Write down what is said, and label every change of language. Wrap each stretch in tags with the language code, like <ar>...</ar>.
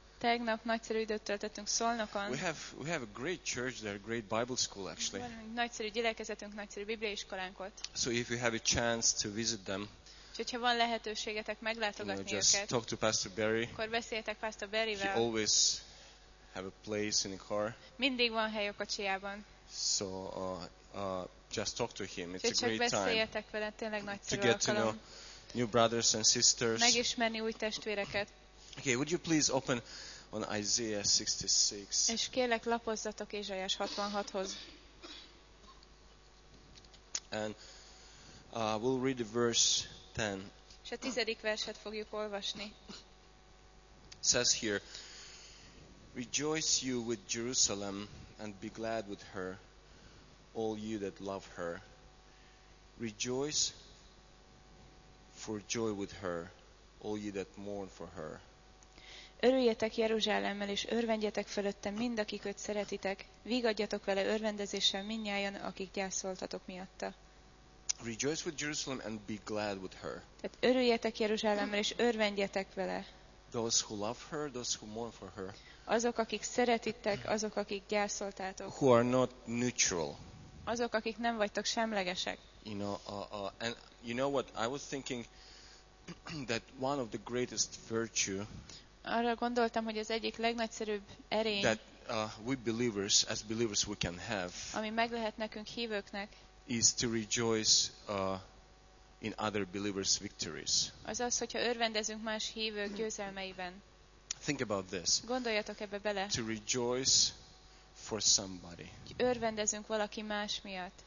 <hu>Tegnap nagyszerű időt töltöttünk Szolnokon.</hu> <en>We have a great church there, a great Bible school actually.</en> <hu>Nagyszerű gyülekezetünk, nagyszerű bibliaiskolánk ott.</hu> <en>So if you have a chance to visit them.</en> <hu>Hogyha van lehetőségetek meglátogatni őket.</hu> <en>Just talk to Pastor Barry.</en> <hu>Akkor beszéljetek Pastor Barryvel.</hu> <en>He always have a place in the car.</en> <hu>Mindig van hely a kocsiában.</hu> <en>So just talk to him. It's</en> <hu>csak</hu> <en>a great time.</en> <hu>Beszéljetek vele, tényleg nagyszerű alkalom.</hu> <en>To get to know new brothers and sisters.</en> <hu>Megismerni új testvéreket.</hu> <en>Okay, would you please open on Isaiah 66?</en> <hu>És kérlek, lapozzatok Ézsaiás 66-hoz.</hu> <en>And we'll read the verse 10.</en> <hu>És a 10. verset fogjuk olvasni.</hu> <en>It says here, rejoice you with Jerusalem and be glad with her, all you that love her. Rejoice for joy with her, all you that mourn for her.</en> <hu>Örüljetek Jeruzsálemmel, és örvendjetek fölötte mind, akik őt szeretitek. Vigadjatok vele örvendezéssel mindnyájan, akik gyászoltatok miatta.</hu> <en>Rejoice with Jerusalem and be glad with her.</en> <hu>Tehát örüljetek Jeruzsálemmel, és örvendjetek vele.</hu> <en>Those who love her, those who mourn for her.</en> <hu>Azok, akik szeretitek, azok, akik gyászoltátok.</hu> <en>Who are not neutral.</en> <hu>Azok, akik nem vagytok semlegesek.</hu> <en>You know, and you know what? I was thinking that one of the greatest virtue.</en> <hu>Arra gondoltam, hogy az egyik legnagyszerűbb erény.</hu> <en>That we believers, as believers, we can have.</en> <hu>Ami meg lehet nekünk hívőknek.</hu> <en>Is to rejoice in other believers' victories.</en> <hu>Az az, hogyha örvendezünk más hívők győzelmeiben.</hu> <en>Think about this.</en> <hu>Gondoljatok ebbe bele.</hu> <en>To rejoice for somebody.</en> <hu>Örvendezünk valaki más miatt.</hu>